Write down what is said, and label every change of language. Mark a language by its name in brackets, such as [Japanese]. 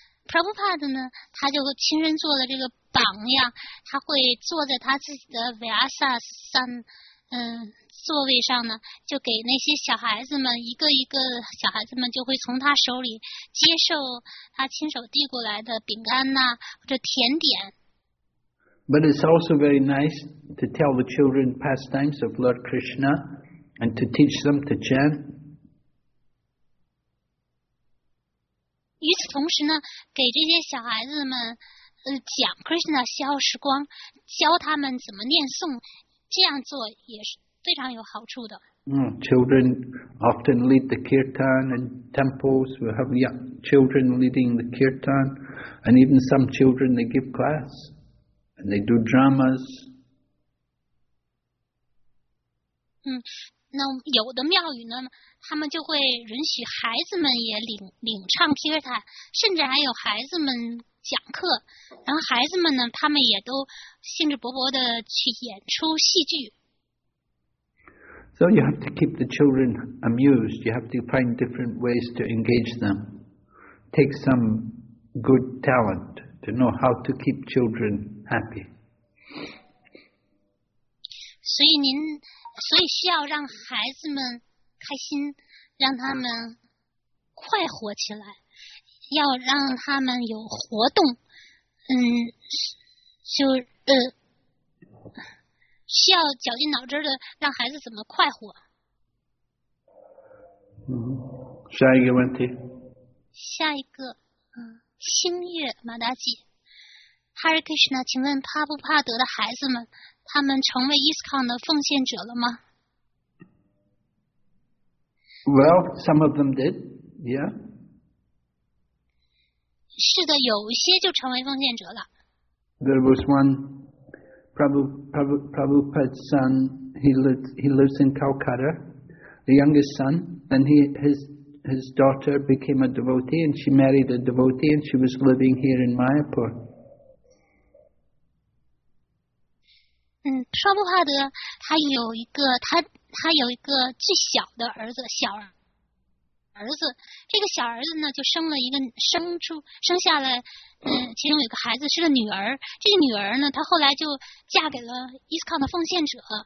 [Chinese] Prabhupada 呢，他就亲身做了这个榜样，他会坐在他自己的 Vyasasan 座位上呢，就给那些小孩子们一个一个小孩子们就会从他手里接受他亲手递过来的饼干呐、或者甜点。 [English] But it's also very nice to tell the children pastimes of Lord Krishna and to teach them to chant. [Chinese] 与此同时呢，给这些小孩子们讲 Krishna 消时光，教他们怎么念诵，这样做也是非常有好处的。 [English] Children often lead the kirtan in temples. We have young children leading the kirtan. And even some children, they give class. And they do dramas. [Chinese] 那有的庙宇呢，他们就会允许孩子们也领唱 kirtan， 甚至还有孩子们讲课。然后孩子们呢，他们也都兴致勃勃的去演出戏剧。 [English] So you have to keep the children amused. You have to find different ways to engage them. Take some good talent to know how to keep children. Happy. [Chinese] 所以需要让孩子们开心，让他们快活起来，要让他们有活动，需要绞尽脑汁的让孩子怎么快活。下一个问题。下一个，星月马达姐。 Hare Krishna， 请问帕布帕德的孩子们，他们成为 ISKCON 的奉献者了吗 [English] ？Well, some of them did, yeah. [Chinese] 是的，有些就成为奉献者了。 [English] There was one Prabhupada's son. He lives in Calcutta. The youngest son, and he his his daughter became a devotee and she married a devotee and she was living here in Mayapur. [Chinese] 嗯，沙布哈德他有一个他有一个最小的儿子，小儿子。这个小儿子呢，就生了一个生下来，嗯，其中有个孩子是个女儿。这个女儿呢，她后来就嫁给了伊斯康的奉献者。